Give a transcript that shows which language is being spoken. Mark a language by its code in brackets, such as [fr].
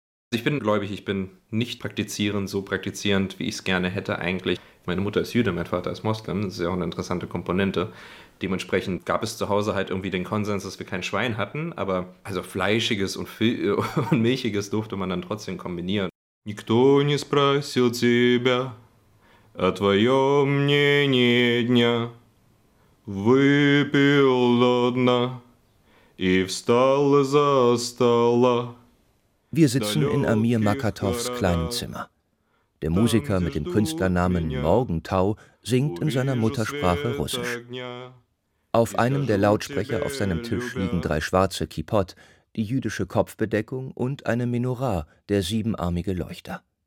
[de] Ich bin gläubig, ich bin nicht praktizierend, so praktizierend, wie ich es gerne hätte eigentlich. Meine Mutter ist Jüdin, mein Vater ist Moslem, das ist ja auch eine interessante Komponente. Dementsprechend gab es zu Hause halt irgendwie den Konsens, dass wir kein Schwein hatten, aber also Fleischiges und Milchiges durfte man dann trotzdem kombinieren. [ru] Никто не спросил тебя о твоем мнении дня. Выпил до дна и встал из-за стола. [de] Wir sitzen in Amir Makatovs kleinem Zimmer. Der Musiker mit dem Künstlernamen Morgentau singt in seiner Muttersprache Russisch. Auf einem der Lautsprecher auf seinem Tisch liegen drei schwarze Kippot, die jüdische Kopfbedeckung und eine Menorah, der siebenarmige Leuchter.